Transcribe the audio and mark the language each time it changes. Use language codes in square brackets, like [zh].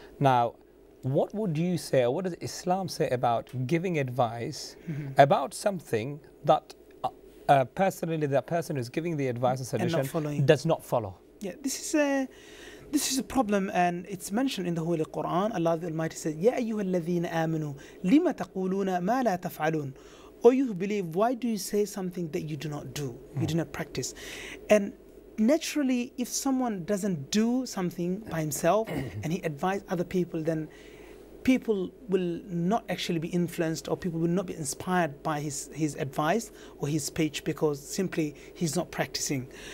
[en] Now, what would you say, or what does Islam say about giving advice mm-hmm. about something that personally that person who's giving the advice or suggestion does not follow? Yeah, this is a problem, and it's mentioned in the Holy Quran. Allah the Almighty said, [ar] يَا أَيُّهَا الَّذِينَ آمَنُوا لِمَ تَقُولُونَ مَا لَا تَفْعَلُونَ. [en] Or you who believe, why do you say something that you do not do, you do not practice? And naturally, if someone doesn't do something by himself and he advises other people, then people will not actually be influenced, or people will not be inspired by his advice or his speech, because simply he's not practicing.